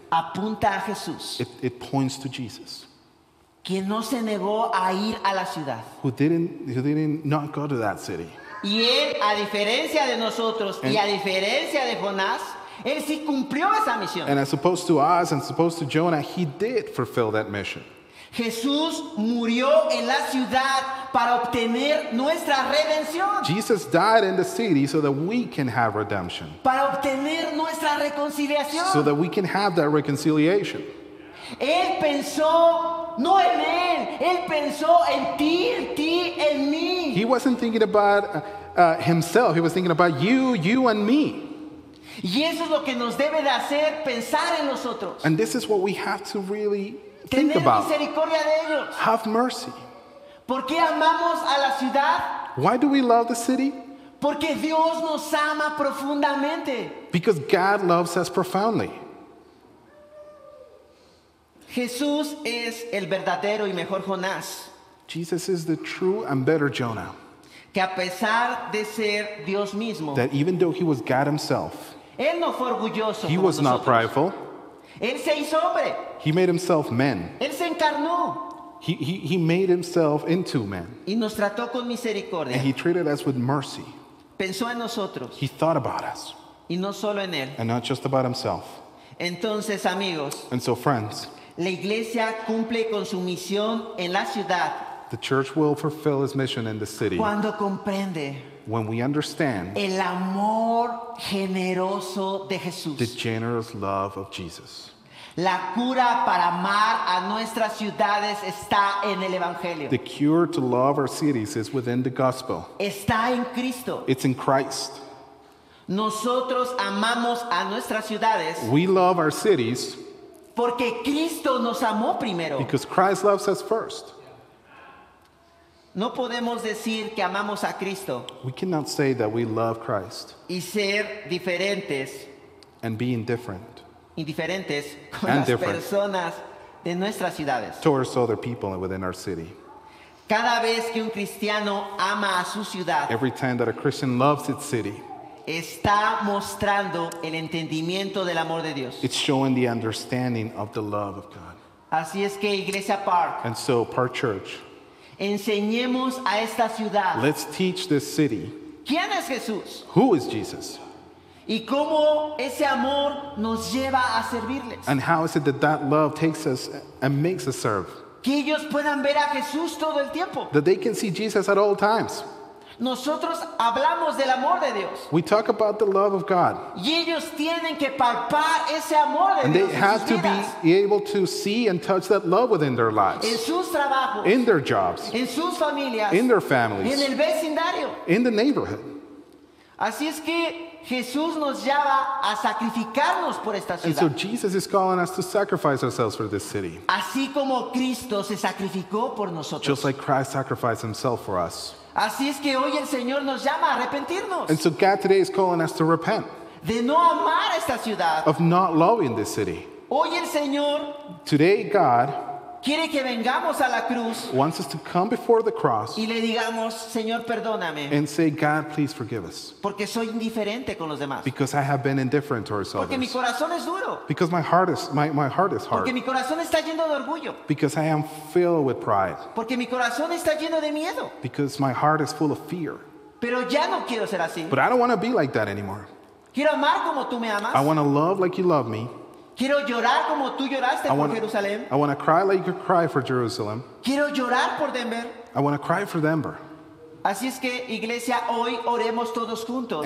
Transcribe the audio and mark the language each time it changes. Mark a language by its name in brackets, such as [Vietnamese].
[Spanish] Apunta a Jesús. [English] It points to Jesus. [Spanish] Quien no se negó a ir a la ciudad. [English] Who didn't not go to that city. [Spanish] Y él, a diferencia de nosotros, and, y a diferencia de Jonás, Él sí cumplió esa misión. [English] And as opposed to us and as opposed to Jonah, he did fulfill that mission. [Spanish] Jesús murió en la ciudad para obtener nuestra redención. [English] Jesus died in the city so that we can have redemption. [Spanish] Para obtener nuestra reconciliación. [English] So that we can have that reconciliation. [Spanish] Él pensó no en él, él pensó en ti, ti en mí. [English] He wasn't thinking about himself, he was thinking about you, you and me. [Spanish] Y eso es lo que nos debe de hacer pensar en nosotros. [English] And this is what we have to really think about. [Spanish] Tener misericordia de ellos. [English] Have mercy. [Spanish] ¿Por qué amamos a la ciudad? [English] Why do we love the city? [Spanish] Porque Dios nos ama profundamente. [English] Because God loves us profoundly. [Spanish] Jesús es el verdadero y mejor Jonás. [English] Jesus is the true and better Jonah. [Spanish] Que a pesar de ser Dios mismo, [English] that even though he was God himself, [Spanish] él no fue orgulloso. [English] He was not prideful. [Spanish] Él se hizo hombre. [English] He made himself man. [Spanish] Él se encarnó. [English] He made himself into man. [Spanish] Y nos trató con misericordia. [English] And he treated us with mercy. [Spanish] Pensó en nosotros. [English] He thought about us. [Spanish] Y no solo en él. [English] And not just about himself. [Spanish] Entonces, amigos. [English] And so, friends. [Spanish] La iglesia cumple con su misión en la ciudad. [English] The church will fulfill its mission in the city. [Spanish] Cuando comprende. [English] When we understand [Spanish] el amor generoso de Jesús, [English] the generous love of Jesus. [Spanish] La cura para amar a nuestras ciudades está en el Evangelio. [English] The cure to love our cities is within the gospel. [Spanish] Está en Cristo. [English] It's in Christ. [Spanish] Nosotros amamos a nuestras ciudades. [English] We love our cities [Spanish] porque Cristo nos amó primero. [English] Because Christ loves us first. [Spanish] No podemos decir que amamos a Cristo. [English] We cannot say that we love Christ. [Spanish] Y ser diferentes. [English] And being different. [Spanish] Indiferentes con las personas de nuestras ciudades. [English] Towards other people within our city. [Spanish] Cada vez que un cristiano ama a su ciudad. [English] Every time that a Christian loves its city. [Spanish] Está mostrando el entendimiento del amor de Dios. [English] It's showing the understanding of the love of God. [Spanish] Así es que Iglesia Park. [English] And so Park Church. [Spanish] Enseñemos a esta ciudad. [English] Let's teach this city. [Spanish] ¿Quién es Jesús? [English] Who is Jesus? [Spanish] ¿Y cómo ese amor nos lleva a servirles? [English] And how is it that that love takes us and makes us serve? [Spanish] Que ellos puedan ver a Jesús todo el tiempo. [English] That they can see Jesus at all times. [Spanish] Nosotros hablamos del amor de Dios. [English] We talk about the love of God. [Spanish] Y ellos tienen que palpar ese amor de Dios. [English] And they have to be able to see and touch that love within their lives. [Spanish] En sus trabajos. [English] In their jobs. [Spanish] En sus familias. [English] In their families. [Spanish] En el vecindario. [English] In the neighborhood. [Spanish] Así es que Jesús nos llama a sacrificarnos por esta ciudad. [English] And so Jesus is calling us to sacrifice ourselves for this city. [Spanish] Así como Cristo se sacrificó por nosotros. [English] Just like Christ sacrificed himself for us. [Spanish] Así es que hoy el Señor nos llama a arrepentirnos. [English] And so God today is calling us to repent. [Spanish] De no amar esta ciudad. [English] Of not loving this city. [Spanish] Hoy el Señor. [English] Today God. [Spanish] Quiere que vengamos a la cruz. [English] Wants us to come before the cross. [Spanish] Y le digamos, Señor, perdóname. [English] And say, God, please forgive us. [Spanish] Porque soy indiferente con los demás. [English] Because I have been indifferent towards [Spanish] porque Porque mi corazón es duro. [English] Because my heart is hard. [Spanish] Porque mi corazón está lleno de orgullo. [English] Because I am filled with pride. [Spanish] Porque mi corazón está lleno de miedo. [English] Because my heart is full of fear. [Spanish] Pero ya no quiero ser así. [English] But I don't want to be like that anymore. [Spanish] Quiero amar como tú me amas. [English] I want to love like you love me. [Spanish] Quiero llorar como tú lloraste por Jerusalén. [English] I want to cry like you cry for Jerusalem. [Spanish] Quiero llorar por Denver. [English] I want to cry for Denver. [Spanish] Así es que iglesia, hoy oremos todos juntos.